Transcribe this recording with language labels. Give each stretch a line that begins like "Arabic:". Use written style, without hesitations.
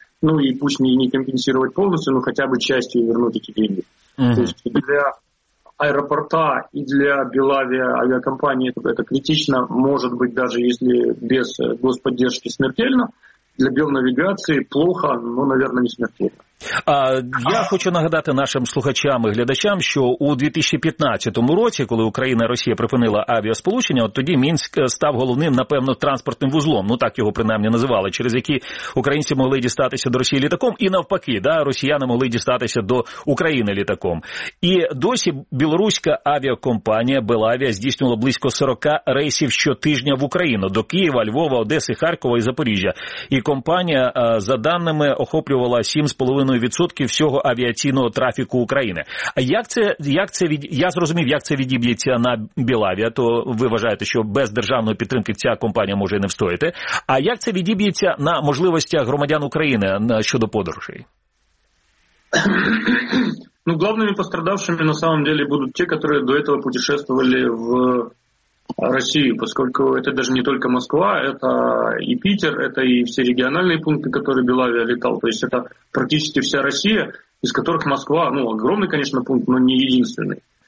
Russian: Ну и пусть не компенсировать полностью, но хотя бы частью вернуть эти деньги. То есть для аэропорта и для Белавия авиакомпании это критично. Может быть, даже если без господдержки смертельно. Для Белнавигації плохо, ну, наверное, не смертельно.
Ukrainian: Я хочу нагадати нашим слухачам і глядачам, що у 2015 році, коли Україна і Росія припинила авіасполучення, от тоді Мінськ став головним, напевно, транспортним вузлом, ну так його принаймні називали, через які українці могли дістатися до Росії літаком, і навпаки, да, росіяни могли дістатися до України літаком. І досі білоруська авіакомпанія Белавія здійснювала близько 40 рейсів щотижня в Україну, до Києва, Львова, Одеси, Харкова і Запоріжжя. І компанія, за даними, охоплювала 7,5% всього авіаційного трафіку України. А я зрозумів, як це відіб'ється на Білавія, то ви вважаєте, що без державної підтримки ця компанія може не встояти. А як це відіб'ється на можливостях громадян України щодо подорожей?
Russian: Ну,
Ukrainian: головними
Russian: пострадавшими на самом деле будуть
Ukrainian: ті, які до цього
Russian: путешествовали в Россию, поскольку это даже не только Москва, это и Питер, это и все региональные пункты, которые Белавия летал. То есть это практически вся Россия, из которых Москва, ну, огромный, конечно, пункт, но не единственный.